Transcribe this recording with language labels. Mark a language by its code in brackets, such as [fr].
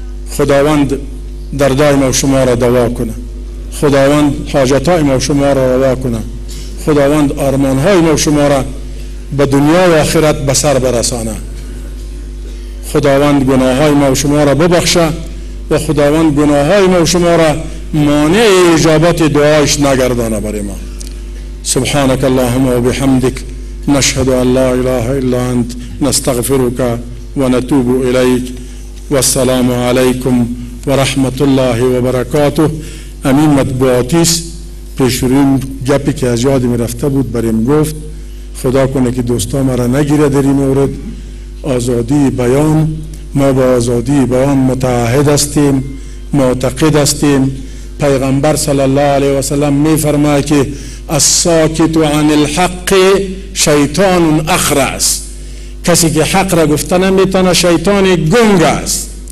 [fa] خداوند دردای ما شما را دوا کنه، خداوند حاجتای ما شما را روا کنه، خداوند آرمانهای ما شما را به دنیا و آخرت بسر برسانه، خداوند گناهای ما شما را ببخشه و خداوند گناهای ما شما را مانع اجابت دعایش نگردانه بر ما. [ar] سبحانك اللهم وبحمدك نشهد أن لا إله إلا أنت نستغفرك ونتوب إليك والسلام عليكم ورحمة الله وبركاته. [fa] أمين مطبوعاتيس پیشورین جبی که از یادم رفته بود بریم گفت خدا کنه که دوستا مرا نگیره در این مورد. آزادی بیان، ما با آزادی بیان متعهد هستیم، معتقد هستیم. پیغمبر صلی الله علیه وسلم می فرمای که [ar] الساکت عن الحق شیطان اخر [fa] است، کسی که حق را گفته نمیتونه شیطان گنگ است.